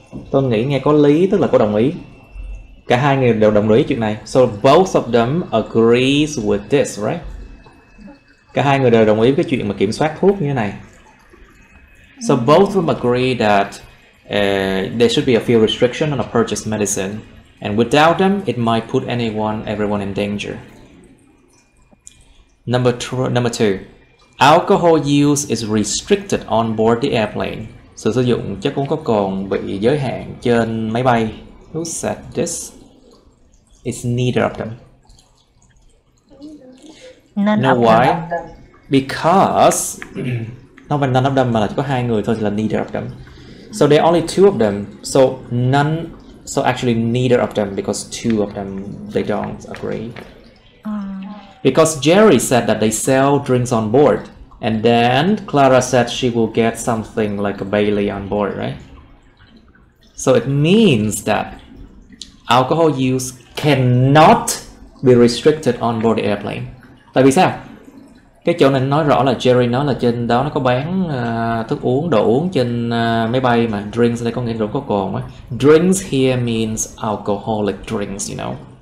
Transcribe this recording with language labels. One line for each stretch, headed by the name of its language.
Vietnamese: Tôi nghĩ nghe có lý, tức là cô đồng ý. Cả hai người đều đồng ý chuyện này.
English: So both of them agrees with this, right?
Vietnamese: Cả hai người đều đồng ý với cái chuyện mà kiểm soát thuốc như thế này.
English: So both of them agree that there should be a few restrictions on a purchased medicine, and without them, it might put everyone in danger. Number two, alcohol use is restricted on board the airplane.
Vietnamese: Sự sử dụng chất uống có cồn bị giới hạn trên máy bay.
English: Who said this? It's neither of them. None of them. Because not only none of them, but
Vietnamese: có hai người thôi, thì là
English: neither of them. So there are only two of them. So actually neither of them, because two of them, they don't agree. Because Jerry said that they sell drinks on board, and then Clara said she will get something like a Bailey on board, right? So it means that alcohol use cannot be restricted on board the airplane.
Vietnamese: Tại vì sao? Cái chỗ này nói rõ là Jerry nói là trên đó nó có bán thức uống, đồ uống trên máy bay mà. Drinks đây có nghĩa là có cồn á.
English: Drinks here means alcoholic drinks, you know.